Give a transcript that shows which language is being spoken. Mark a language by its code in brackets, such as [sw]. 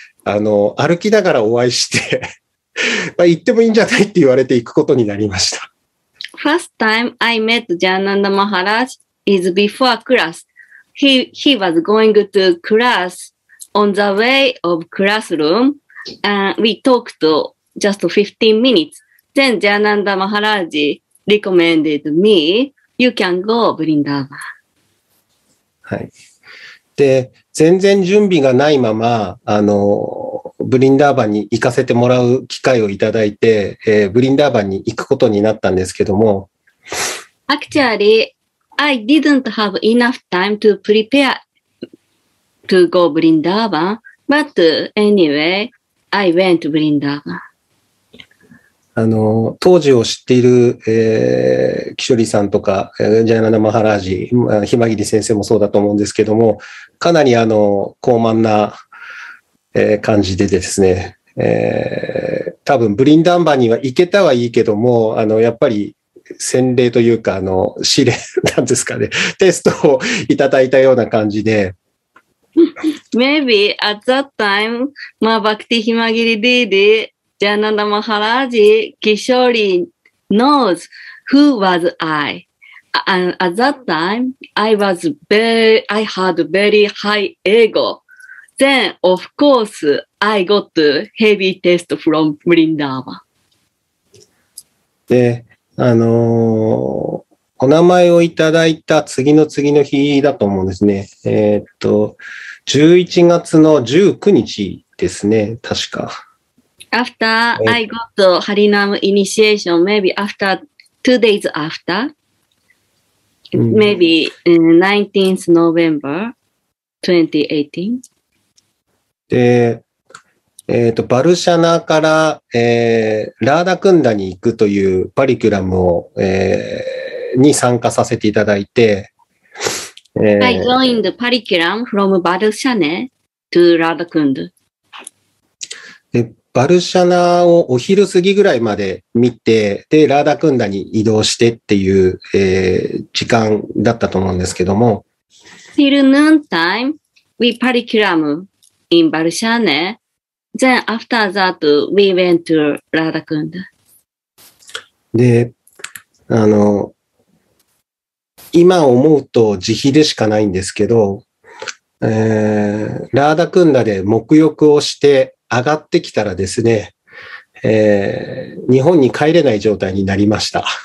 [ja] 歩きながらお会いして行ってもいいんじゃないって言われて行くことになりました。 [en] First time I met Jananda Maharaj is before class. He was going to class on the way of classroom. We talked just 15 minutes. Then Jananda Maharaj recommended me, you can go Vrindavan. [ja] はい。で、全然準備がないまま、ブリンダーバンに行かせてもらう機会をいただいて、ブリンダーバンに行くことになったんですけども。 [en] Actually, I didn't have enough time to prepare to go Vrindavan, but anyway, I went to Vrindavan. [ja] 当時を知っている、キショリさんとか、ジャーナナ・マハラージ、ヒマギリ先生もそうだと思うんですけども、かなり高慢な、感じでですね、多分ブリンダンバには行けたはいいけども、やっぱり洗礼というか、試練なんですかね、テストをいただいたような感じで。 [en] Maybe at that time, my Bhakti Himagiri Didi, Jananda Maharaj, Kishori knows who was I. And at that time, I had very high ego. Then, of course, I got heavy test from Vrindavan. [ja] で、お名前をいただいた次の次の日だと思うんですね。 11月の19日ですね、確か。 [en] After I got Harinam initiation, maybe after two days after, maybe 19th November 2018. [ja] で、バルシャナから、ラーダクンダに行くというパリキュラムを、に参加させていただいて、 [en] I joined the Parikuram from Barushane to Radha Kunda. [ja] で、バルシャナをお昼過ぎぐらいまで見て、で、ラーダクンダに移動してっていう、時間だったと思うんですけども。 [en] Till noon time, we Parikuram. In Barushane, then after that we went to Radha Kunda. [ja] で、今思うと慈悲でしかないんですけど、ラーダクンダで沐浴をして上がってきたらですね、日本に帰れない状態になりました。